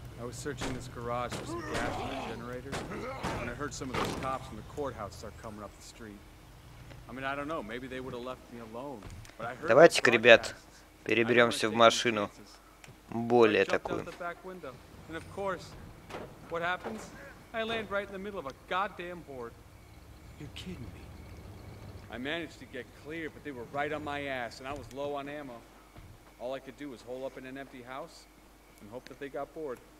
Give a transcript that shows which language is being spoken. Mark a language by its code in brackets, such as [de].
[en] Searching this garage for some gas for the generators, and I heard some of those cops from the courthouse start coming up the street. I mean, I don't know. Maybe they would have left me alone. But I heard. [ru] Давайте-ка, ребят, переберемся в машину более такую. [en] And of course, what happens? I land right in the middle of a goddamn horde. You're kidding me. I managed to get clear, but they were right on my ass, and I was low on ammo. All I could do was hole up in an empty house and hope that they got bored.